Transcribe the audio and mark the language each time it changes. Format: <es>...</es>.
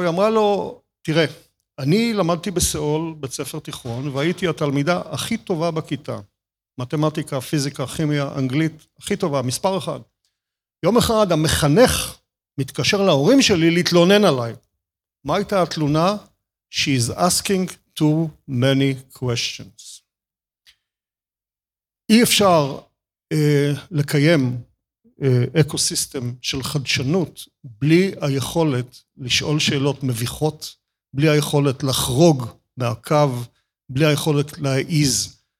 <he>היא אמרה לו, תראה, אני למדתי בסאול, בית ספר תיכון, והייתי התלמידה הכי טובה בכיתה. מתמטיקה, פיזיקה, כימיה, אנגלית, הכי טובה, מספר אחד. יום אחד המחנך מתקשר להורים שלי להתלונן עליי. מה הייתה התלונה?</he> <en>She is asking too many questions.</en> <he>אי אפשר לקיים אקוסיסטם של חדשנות בלי היכולת לשאול שאלות מביכות, בלי היכולת לחרוג מהקו, בלי היכולת להעיז.</he>